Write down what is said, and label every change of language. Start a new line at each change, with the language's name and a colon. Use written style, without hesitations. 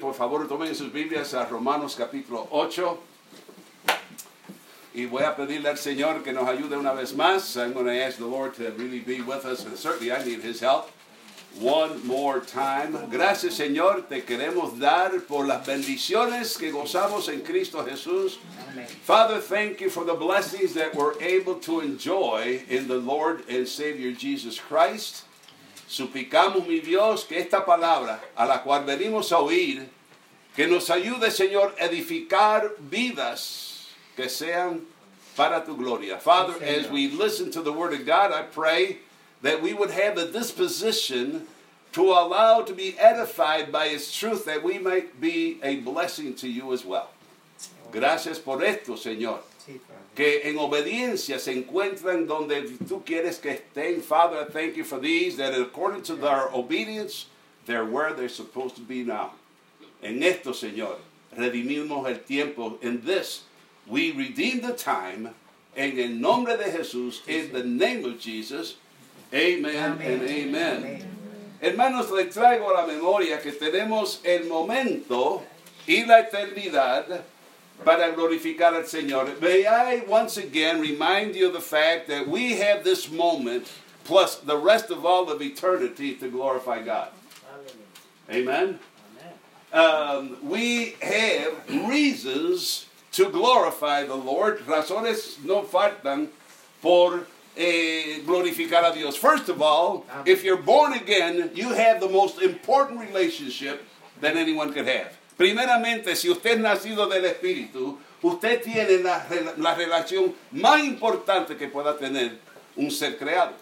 Spanish: Por favor, tomen sus Biblias a Romanos capítulo 8. Y voy a pedirle al Señor que nos ayude una vez más.
English: I'm going to ask the Lord to really be with us, and certainly I need His help one more time.
Spanish: Gracias, Señor. Te queremos dar por las bendiciones que gozamos en Cristo Jesús.
English: Amen. Father, thank you for the blessings that we're able to enjoy in the Lord and Savior Jesus Christ.
Spanish: Suplicamos, mi Dios, que esta palabra a la cual venimos a oír, que nos ayude, Señor, edificar vidas que sean para tu gloria.
English: Father, sí, as we listen to the word of God, I pray that we would have a disposition to allow to be edified by its truth, that we might be a blessing to you as well.
Spanish: Gracias por esto, Señor. Que en obediencia se encuentran donde tú quieres que estén.
English: Father, I thank you for these, that according to their obedience, they're where they're supposed to be now.
Spanish: En esto, Señor, redimimos el tiempo.
English: In this, we redeem the time.
Spanish: En el nombre de Jesús,
English: in the name of Jesus, amen and amen.
Spanish: Hermanos, les traigo a la memoria que tenemos el momento y la eternidad para glorificar al Señor.
English: May I once again remind you of the fact that we have this moment plus the rest of all of eternity to glorify God. Amen. We have reasons to glorify the Lord.
Spanish: Razones no faltan por glorificar a Dios.
English: First of all, if you're born again, you have the most important relationship that anyone could have.
Spanish: Primeramente, si usted es nacido del Espíritu, usted tiene la relación más importante que pueda tener un ser creado.